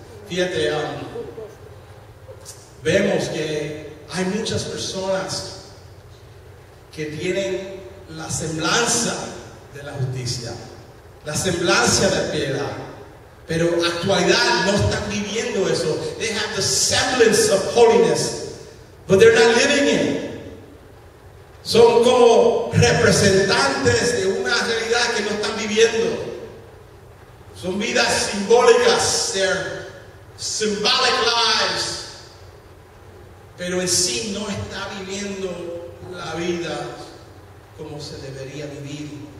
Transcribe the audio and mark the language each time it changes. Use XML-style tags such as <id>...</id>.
<es>Fíjate, vemos que hay muchas personas que tienen la semblanza de la justicia, la semblanza de piedad, pero actualidad no están viviendo eso.</es> <en>They have the semblance of holiness, but they're not living it.</en> <es>Son como representantes de una realidad que no están viviendo. Son vidas simbólicas,</es> <en>they're symbolic lives,</en> <es>pero en sí no está viviendo la vida como se debería vivir.</es>